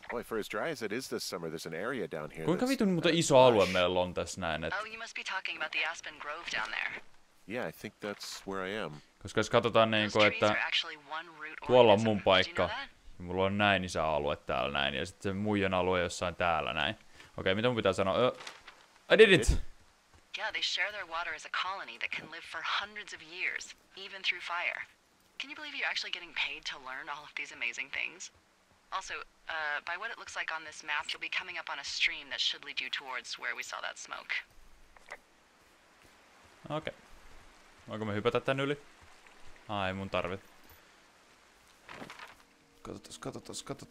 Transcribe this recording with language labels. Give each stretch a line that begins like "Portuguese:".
English: Boy, for as dry as it is this summer, there's an area down here.
Finnish: Kuinka vitun muuta iso alue meillä on tässä näin, että...
English: Oh, you must be talking about the Aspen Grove down there. Yeah, I think that's where I am.
Finnish: Koska jos katsotaan niin kuin, että tuolla on mun paikka. Ja mulla on näin iso alue täällä näin, ja sitten se muijan alue jossain täällä näin. Okei, okay, mitä mun pitää sanoa?
English: I did it. Yeah, they share their water as a colony that can live for hundreds of years, even through fire. Can you believe you're actually getting paid to learn all of these amazing things? Also, by what it looks like on this map, you'll be coming up on a stream that should lead you towards where we saw that smoke. Okay.
Finnish: Voinko me hypätä tän yli? Ai, mun tarvi. Katsotaas.